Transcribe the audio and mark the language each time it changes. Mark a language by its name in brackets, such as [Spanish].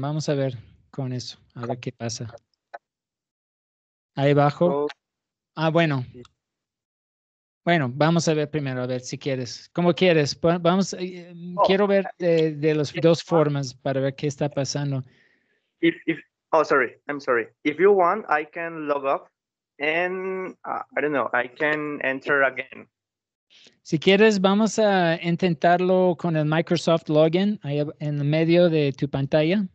[Spanish] Vamos a ver con eso, a ver qué pasa. Ahí abajo. Bueno. Bueno, vamos a ver primero, a ver si quieres. Como quieres, vamos. Quiero ver de las dos formas para ver qué está pasando. [English] If, sorry, I'm sorry. If you want, I can log off. And I don't know, I can enter again. [Spanish] Si quieres, vamos a intentarlo con el Microsoft login ahí en medio de tu pantalla.